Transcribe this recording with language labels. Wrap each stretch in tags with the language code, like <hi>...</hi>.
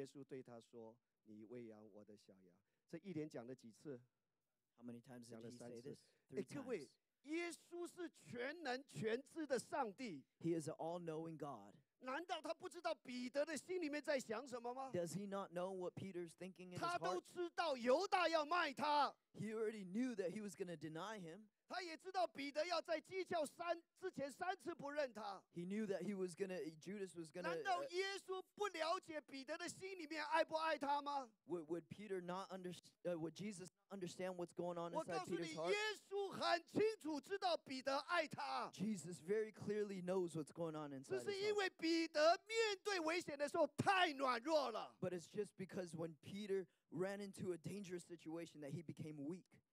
<zh>来，念完他，来，他们吃完了早饭，耶稣就对西门彼得说：“约翰的儿子西门，你爱我比这些更深吗？”彼得说：“主啊，是的，你知道我爱你。”耶稣对他说：“你喂养我的小羊。” 这一连讲了几次?</zh> <en>How many times did he say this? Three times. He is an all-knowing God.</en> <zh>难道他不知道彼得的心里面在想什么吗?</zh> <en>Does he not know what Peter's thinking in his heart?</en> <zh>他都知道犹大要卖他。</zh> <en>He already knew that he was going to deny him.</en> <zh>他也知道彼得要在基教之前三次不认他。</zh> <en>He knew that he was going to, Judas was going to.</en> <zh>难道耶稣不了解彼得的心里面爱不爱他吗?</zh> <en>Would Jesus not understand what's going on inside Peter's heart?</en> <zh>我告诉你，耶稣很清楚知道彼得爱他。</zh> <en>Jesus very clearly knows what's going on inside.</en> <zh>只是因为彼得面对危险的时候太软弱了。</zh> <en>But it's just because when Peter ran into a dangerous situation that he became weak.</en>